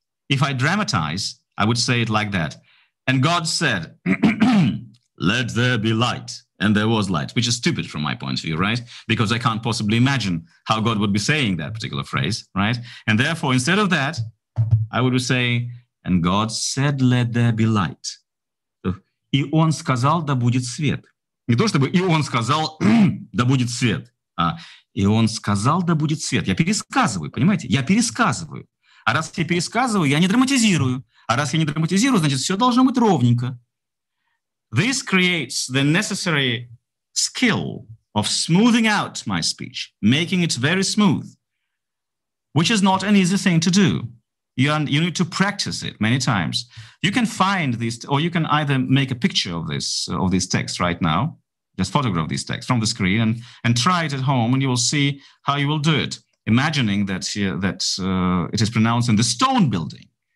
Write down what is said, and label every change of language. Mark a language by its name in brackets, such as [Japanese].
[English] If I dramatize, I would say it like that. And God said, let there be light, and there was light, which is stupid from my point of view, right? Because I can't possibly imagine how God would be saying that particular phrase, right? And therefore, instead of that, I would say, and God said, let there be light. [Russian] И он сказал, да будет свет. Не то чтобы и он сказал, да будет свет. И он сказал, да будет свет. Я пересказываю, понимаете? Я пересказываю. А раз я пересказываю, я не драматизирую. А раз я не драматизирую, значит, все должно быть ровненько. [English] This creates the necessary skill of smoothing out my speech, making it very smooth, which is not an easy thing to do. You need to practice it many times. You can find this, or you can either make a picture of this text right now, just photograph this text from the screen and try it at home, and you will see how you will do it, imagining that it is pronounced in the stone building.